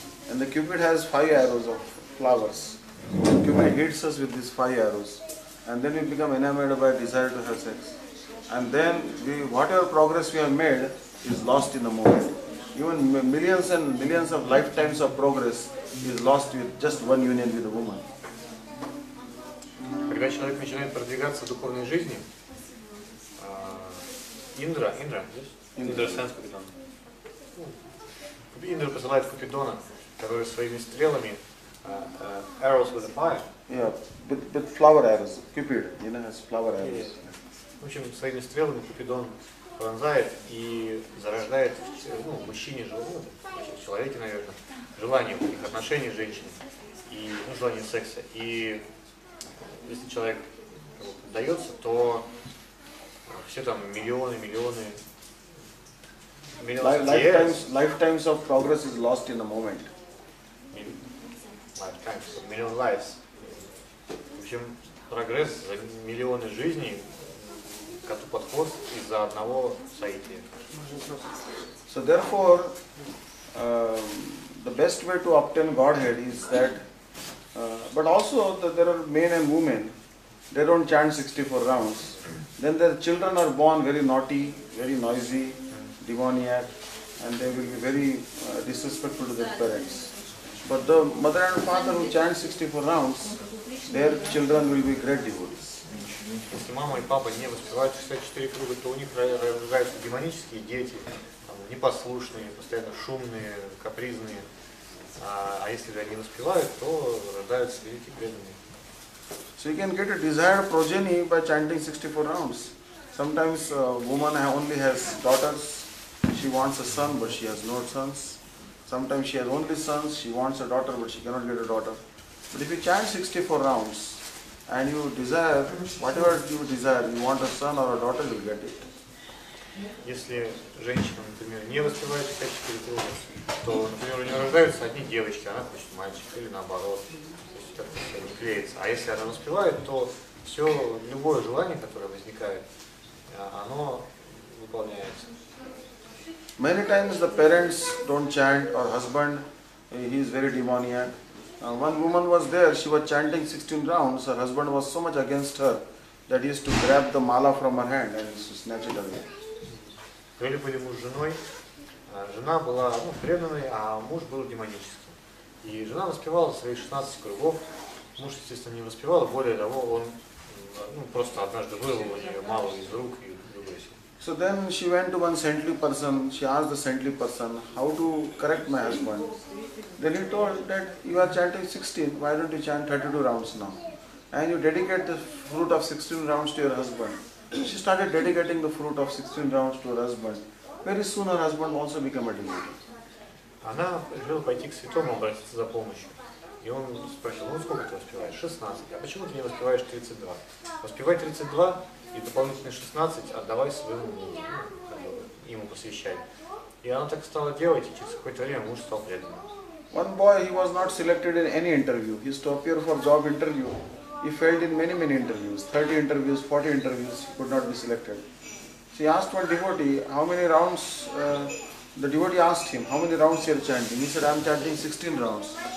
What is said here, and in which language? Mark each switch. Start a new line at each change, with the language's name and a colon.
English: And the Cupid has 5 arrows of flowers. Cupid hits us with these 5 arrows. And then we become enamored by desire to have sex. And then we, whatever progress we have made is lost in the moment. Even millions and millions of lifetimes of progress is lost with just one union with a woman.
Russian: Когда человек начинает продвигаться в духовной жизни, Индра посылает Купидона, который своими стрелами,
English: arrows with a fire. With flower arrows. Cupid, you know, has flower arrows. Yeah.
Russian: В общем, своими стрелами Купидон пронзает и зарождает в мужчине, в человеке, наверное, желание в их отношении с женщиной, и желание секса. И если человек поддается, то все там миллионы.
English: Lifetimes of progress is lost in a moment. Lifetimes, million lives.
Russian: В общем, прогресс за миллионы жизней коту под хвост из-за одного соития.
English: So therefore, the best way to obtain Godhead is that, but also that there are men and women, they don't chant 64 rounds. Then their children are born very naughty, very noisy, demoniac, and they will be very disrespectful to their parents. But the mother and father who chant 64 rounds, their children will be great devotees.
Russian: Если мама и папа не воспевают 64 круга, то у них рождаются демонические дети, непослушные, постоянно шумные, капризные. А если они воспевают, то рождаются великие преданные.
English: So you can get a desired progeny by chanting 64 rounds. Sometimes a woman only has daughters. She wants a son, but she has no sons. Sometimes she has only sons. She wants a daughter, but she cannot get a daughter. But if you chant 64 rounds, and you desire, whatever you desire, you want a son or a daughter, you'll get it.
Russian: Если женщина, например, не воспевает 64 круга, то, например, у нее рождаются одни девочки, она хочет мальчик, или наоборот. Не клеится. А если она успевает, то все, любое желание, которое возникает, оно выполняется.
English: Many times the parents don't chant, or husband, he is very demoniac. One woman was there, she was chanting 16 rounds, her husband was so much against her that he used to grab the mala from her hand and snatch it away.
Russian: Были бы муж с женой, жена была преданной, а муж был демонический. И жена воспевала свои 16 кругов, муж, естественно, не воспевал, более того, он просто однажды вырвал у нее мало из рук и выбросил.
English: So then she went to one saintly person, she asked the saintly person, how to correct my husband. Then he told that you are chanting 16, why don't you chant 32 rounds now? And you dedicate the fruit of 16 rounds to your husband. She started dedicating the fruit of 16 rounds to her husband. Very soon her husband also became a devotee.
Russian: Она решила пойти к святому обратиться за помощью. И он спросил, сколько ты воспеваешь? 16. А почему ты не воспеваешь 32? Воспевай 32 и дополнительные 16 отдавай своему мужу. ему посвящать. И она так стала делать, и через какое-то время муж стал преданным.
English: One boy, he was not selected in any interview. He stopped here for job interview. He failed in many, many interviews. 30 interviews, 40 interviews, he could not be selected. So he asked one devotee, how many rounds, the devotee asked him, how many rounds you are chanting? He said, I am chanting 16 rounds.